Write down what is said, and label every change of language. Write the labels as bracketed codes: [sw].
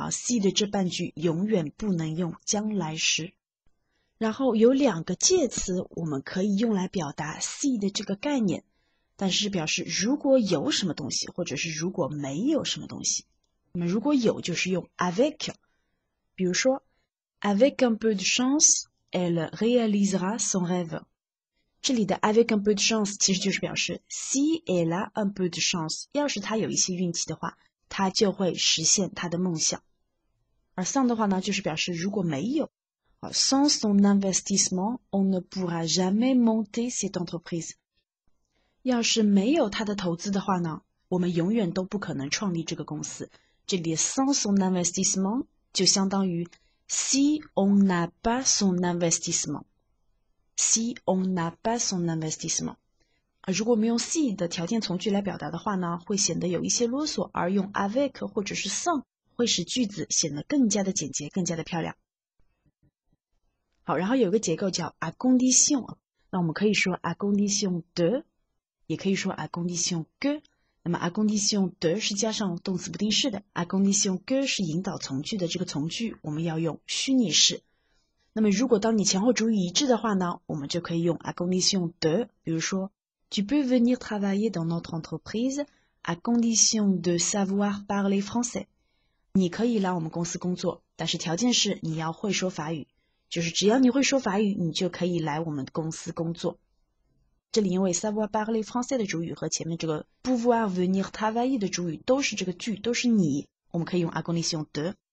[zh] C 的这半句永远不能用将来时。然后有两个介词我们可以用来表达 C 的这个概念。但是表示如果有什么东西，或者是如果没有什么东西。那么如果有，就是用 avec。比如说， [fr] avec un peu de chance, elle réalisera son rêve。 [zh] 这里的 [fr] avec un peu de chance [zh] 其实就是表示 [fr] si elle a un peu de chance， [zh] 要是她有一些运气的话，她就会实现她的梦想。而 sans 的话呢，就是表示如果没有。 [fr] Sans son investissement, on ne pourra jamais monter cette entreprise。 [zh] 要是没有他的投资的话呢，我们永远都不可能创立这个公司。这里 [fr] sans son investissement [zh] 就相当于 [fr] si on n'a pas son investissement，si on n'a pas son investissement。 [zh] 如果我们用 si 的条件从句来表达的话呢，会显得有一些啰嗦，而用 avec 或者是 sans 会使句子显得更加的简洁，更加的漂亮。好，然后有一个结构叫 à condition，那我们可以说 à condition de。也可以说 à condition que，那么 à condition de 是加上动词不定式的，à condition que 是引导从句的这个从句，我们要用虚拟式。那么如果当你前后主语一致的话呢，我们就可以用 [fr] à condition de， [zh] 比如说 [fr] tu peux venir travailler dans notre entreprise à condition de savoir parler français。 [zh] 你可以来我们公司工作，但是条件是你要会说法语，就是只要你会说法语，你就可以来我们公司工作。这里因为 [fr] savoir parler français [zh] 的主语和前面这个 [fr] pouvoir venir travailler [zh] 的主语都是这个句，都是你，我们可以用 à condition de。